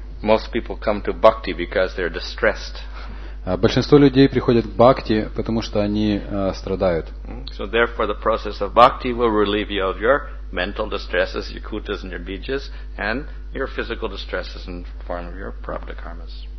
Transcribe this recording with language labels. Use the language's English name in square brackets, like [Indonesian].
[English] Most people come to bhakti because they're distressed. [Russian] Большинство людей приходят к бхакти, потому что они страдают. [English] So therefore the process of bhakti will relieve you of your mental distresses, your kutas and your bijas, and your physical distresses in form of your prapta karmas.